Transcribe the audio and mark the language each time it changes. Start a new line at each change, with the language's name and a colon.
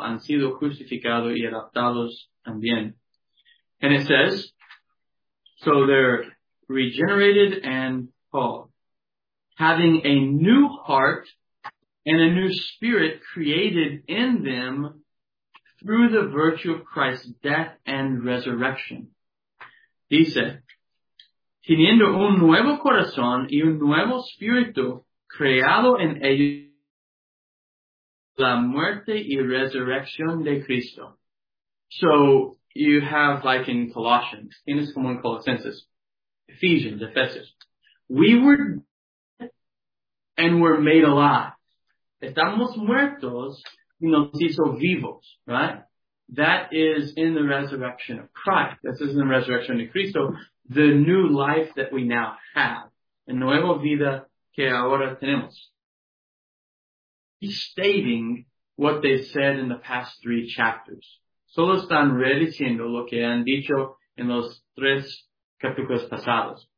Spanish: Han sido justificados y adoptados también.
English: And it says, so they're regenerated and called, having a new heart and a new spirit created in them through the virtue of Christ's death and resurrection.
Spanish: Dice, teniendo un nuevo corazón y un nuevo espíritu creado en ellos, la muerte y resurrección de Cristo.
English: So, you have like in Colossians,
Spanish: tienes como en Colossenses,
English: Ephesians, Ephesus. We were dead and were made alive.
Spanish: Estamos muertos y nos hizo vivos, right?
English: That is in the resurrection of Christ. This is in the resurrection of Cristo. The new life that we now have.
Spanish: La nueva vida que ahora tenemos.
English: Restating what they said in the past three chapters.
Spanish: Solo están rediciendo lo que han dicho en los tres capítulos pasados.